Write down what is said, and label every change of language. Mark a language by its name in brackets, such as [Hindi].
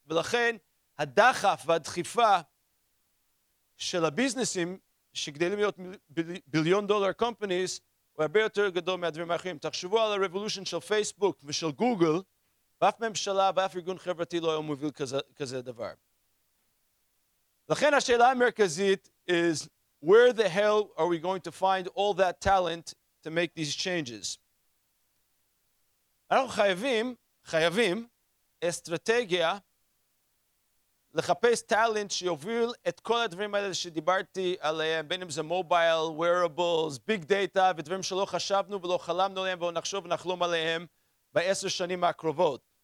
[Hebrew] ולכן הדחף והדחיפה של הביזנסים שגדלים להיות ביליון דולר קומפניס הוא הרבה יותר גדול מהדברים האחרים. תחשבו על הרבולושן של פייסבוק ושל גוגל, ואף ממשלה ואף ארגון חברתי לא היה מוביל כזה דבר. לכן השאלה המרכזית [English] is, where the hell are we going to find all that talent to make these changes? [Hebrew] אנחנו חייבים אסטרטגיה לחפש טלנט שיוביל את כל הדברים האלה שדיברתי עליהם, בין אם זה מובייל, wearables, big data, ודברים שלא חשבנו ולא חלמנו עליהם ולא נחשוב ונחלום עליהם בעשר שנים הקרובות.